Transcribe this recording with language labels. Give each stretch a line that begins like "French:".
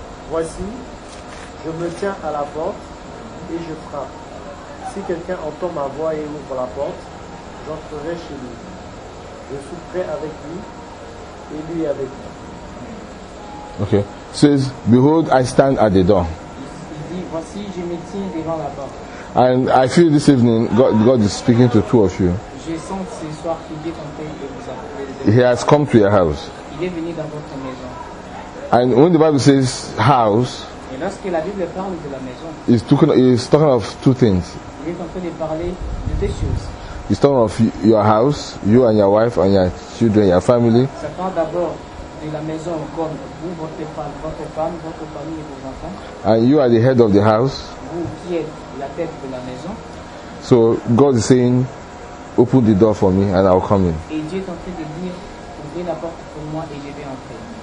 French: Voici, je me tiens à la porte et je frappe. Si quelqu'un entend ma voix et ouvre la porte, j'entrerai chez lui. Je souperai avec lui et lui avec moi. Okay.
English: It says, behold, I stand at the door.
French: Il dit, voici, je me tiens devant la porte.
English: And I feel this evening God is speaking to two of you.
French: Je sens ce soir qu'il est en train de vous appeler.
English: He has come to your house.
French: Il est venu dans votre maison.
English: And when the Bible says house,
French: et lorsque la Bible parle de la maison,
English: it's talking of two things.
French: Il est en train de parler de deux choses.
English: It's talking of your house, you and your wife and your children, your family.
French: Ça parle d'abord de la maison comme vous, votre femme, votre famille et vos enfants.
English: And you are the head of the house.
French: Vous qui êtes la tête de la maison.
English: So God is saying, open the door for me and I'll come in.
French: Et Dieu est en train de dire, ouvrez la porte pour moi et je vais entrer.